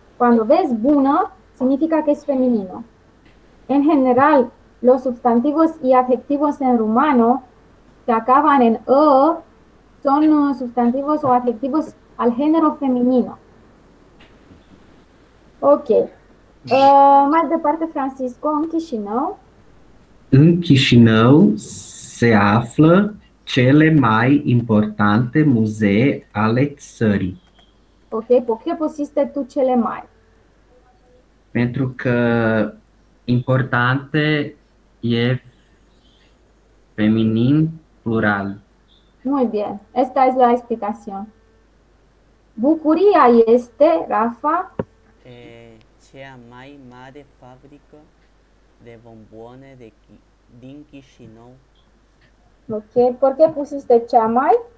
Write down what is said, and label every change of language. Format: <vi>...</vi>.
<es>Cuando ves bună, significa que es femenino. En general, los sustantivos y adjetivos en rumano que acaban en ă son sustantivos o adjetivos al género femenino. Ok.</es> <ro>Mai departe, Francisco, în Chișinău. În Chișinău se află cele mai importante muzee ale țării.</ro> <es>Ok, por qué pusiste tu</es> <ro>cele mai? Pentru că importante e feminin plural.</ro> <es>Muy bien, esta es la explicación.</es> <ro>Bucuria este, Rafa? Cea mai mare fabrică de bomboane din Chișinău.</ro> <es>Ok, por qué pusiste</es> <ro>cea mai?</ro>